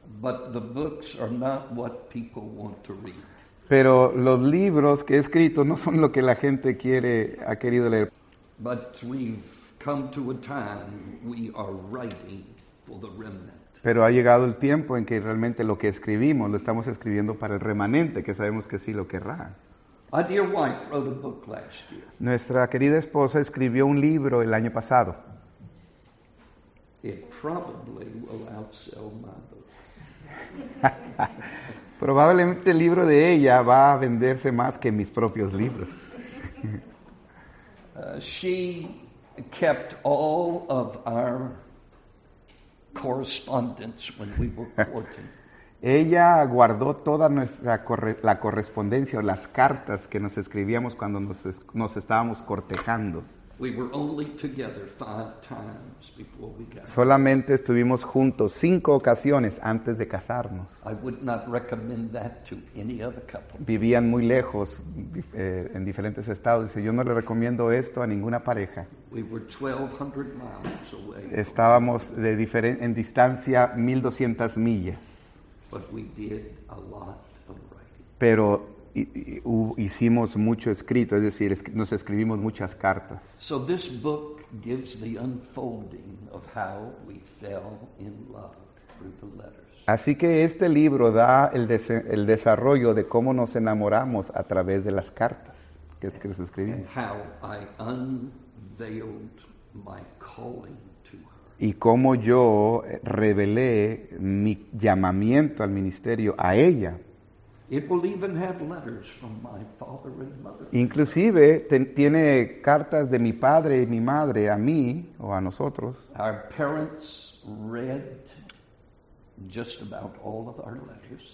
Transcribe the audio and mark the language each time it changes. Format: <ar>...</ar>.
<en>But the books are not what people want to read.</en> <es>Pero los libros que he escrito no son lo que la gente quiere, ha querido leer.</es> <en>But we've come to a time we are writing for the remnant.</en> <es>Pero ha llegado el tiempo en que realmente lo que escribimos lo estamos escribiendo para el remanente, que sabemos que sí lo querrá.</es> <en>A dear wife wrote a book last year.</en> <es>Nuestra querida esposa escribió un libro el año pasado.</es> <en>It probably will outsell my book.</en> <es>Probablemente el libro de ella va a venderse más que mis propios libros.</es> <en>She kept all of our correspondence when we were courting.</en> <es>Ella guardó toda nuestra la correspondencia o las cartas que nos escribíamos cuando nos estábamos cortejando.</es> <en>We were only together 5 times before we got.</en> <es>Solamente estuvimos juntos 5 ocasiones antes de casarnos.</es> <en>I would not recommend that to any other couple.</en> <es>Vivían muy lejos, en diferentes estados. Dice, yo no le recomiendo esto a ninguna pareja.</es> <en>We were 1,200 miles away.</en> <es>Estábamos en distancia 1,200 millas.</es> <en>But we did a lot of writing.</en> <es>Pero hicimos mucho escrito, es decir, nos escribimos muchas cartas.</es> <en>So this book gives the unfolding of how we fell in love through the letters.</en> <es>Así que este libro da el desarrollo de cómo nos enamoramos a través de las cartas que nos escribimos.</es> <en>And how I unveiled my calling to her.</en> <es>Y cómo yo revelé mi llamamiento al ministerio a ella.</es> <en>It will even have letters from my father and mother.</en> <es>Inclusive tiene cartas de mi padre y mi madre a mí o a nosotros.</es> <en>Our parents read just about all of our letters.</en>